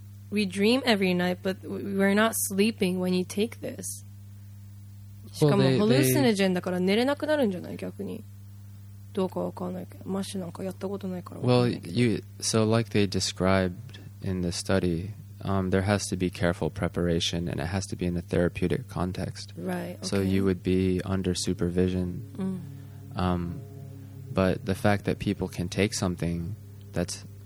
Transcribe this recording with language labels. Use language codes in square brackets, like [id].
[en] We dream every night, but we're not sleeping when you take this. [ja] しかも、hallucinogen だから寝れなくなるんじゃない逆に。どうかわかんないけど。マッシュなんかやったことないから。 [en] Well, so like they described in the study, there has to be careful preparation and it has to be in a therapeutic context. Right, okay. So you would be under supervision. Mm. But the fact that people can take something that's...